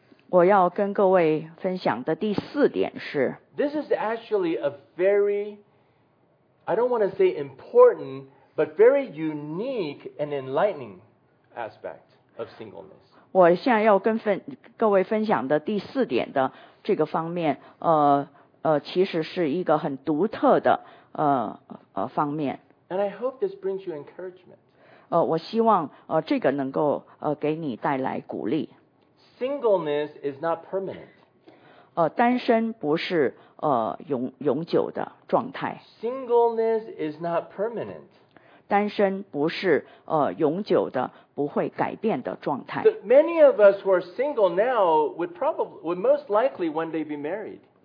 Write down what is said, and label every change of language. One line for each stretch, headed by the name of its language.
Chinese: 我要跟各位分享的第四点是
English: This is actually a very, I don't want to say important, but very unique and enlightening aspect of singleness.
Chinese: 我现在要跟各位分享的第四点的这个方面其实是一个很独特的方面。
English: And I hope this brings you encouragement.
Chinese: 我希望这个能够给你带来鼓励。
English: Singleness is not permanent.
Chinese: 单身不是永久的状态。
English: Singleness is not permanent.
Chinese: 单身不是永久的不会改变的状态。
English: But many of us who are single now would most likely one day be married.